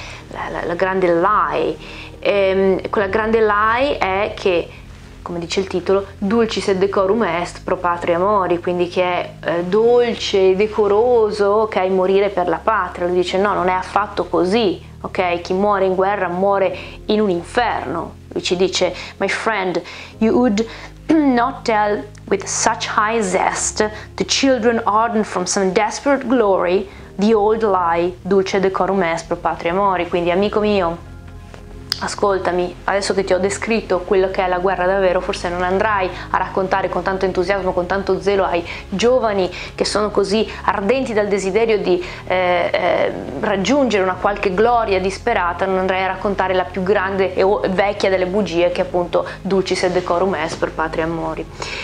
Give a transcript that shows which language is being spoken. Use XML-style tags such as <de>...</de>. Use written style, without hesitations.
<it>La grande lie. Quella grande lie è che, come dice il titolo,</it> <la>dulcis et decorum est pro patria mori,</la> <it>quindi che è dolce e decoroso, ok, morire per la patria. Lui dice no, non è affatto così, ok? Chi muore in guerra muore in un inferno. Lui ci dice:</it> <en>my friend, you would not tell with such high zest the children ardent from some desperate glory the old lie,</en> <la>dulce decorum est pro patria mori.</la> <it>Quindi, amico mio, ascoltami, adesso che ti ho descritto quello che è la guerra davvero, forse non andrai a raccontare con tanto entusiasmo, con tanto zelo ai giovani che sono così ardenti dal desiderio di raggiungere una qualche gloria disperata, non andrai a raccontare la più grande e vecchia delle bugie, che è appunto</it> <la>dulcis et decorum est pro patria mori.</la>